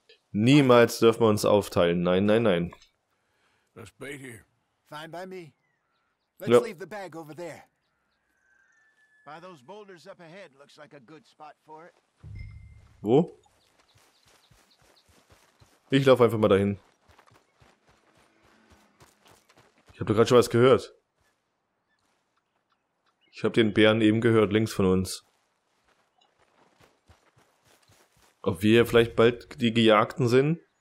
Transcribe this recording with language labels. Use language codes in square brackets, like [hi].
[de] Niemals dürfen wir uns aufteilen. Nein, nein, nein. [en] Let's bait here. Fine by me. Let's leave the bag over there. By those boulders up ahead, looks like a good spot for it. [de] Wo? Ich laufe einfach mal dahin. Ich habe doch gerade schon was gehört. Ich habe den Bären eben gehört, links von uns. Ob wir vielleicht bald die Gejagten sind?